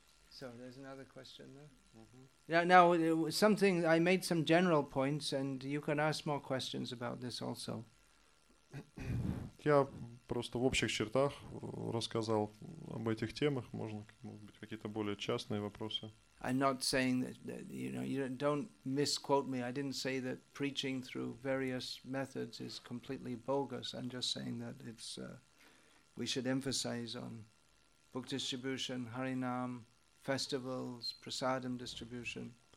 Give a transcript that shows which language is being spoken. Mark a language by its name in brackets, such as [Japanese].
[English] So, there's another question there. Now, something, I made some general points, and you can ask more questions about this also. [Russian] Я просто в общих чертах рассказал об этих темах. Можно, может быть, какие-то более частные вопросы. [English] I'm not saying that, you know, you don't misquote me. I didn't say that preaching through various methods is completely bogus. I'm just saying that it's we should emphasize on book distribution, Harinam, festivals, prasadam distribution.